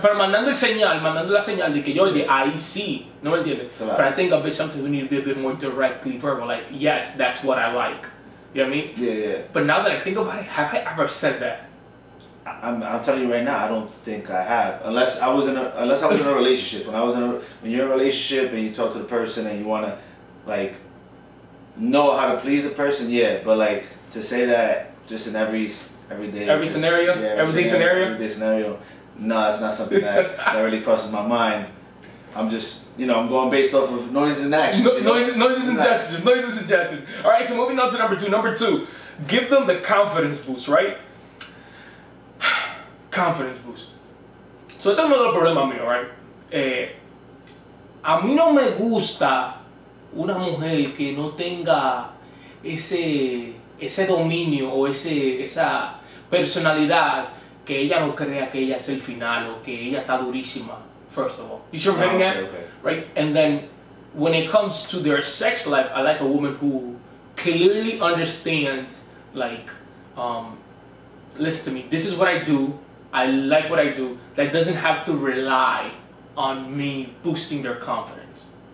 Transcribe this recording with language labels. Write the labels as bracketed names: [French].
[Spanish] Pero mandando la señal de que yo, ahí sí, no me entiendes. Claro. [English] But I think a bit something we need to be a bit more directly verbal, like, yes, that's what I like. You know what I mean? Yeah. But now that I think about it, have I ever said that? I'm telling you right now, I don't think I have. Unless I was in a relationship. When you're in a relationship and you talk to the person and you wanna like know how to please the person, yeah. But like to say that just in every day scenario, no, it's not something that really crosses my mind. I'm just, you know, I'm going based off of noises and action. Noises and gestures. All right, so moving on to number two. Number two, give them the confidence boost, right? Confidence boost. [Spanish] So, este es uno de los problemas míos, right? A mí no me gusta una mujer que no tenga ese dominio o esa personalidad que ella no crea que ella es el final o que ella está durísima. [English] First of all, you sure what I'm getting at? Right? And then when it comes to their sex life, I like a woman who clearly understands, like, listen to me, this is what I do, I like what I do, that doesn't have to rely on me boosting their confidence.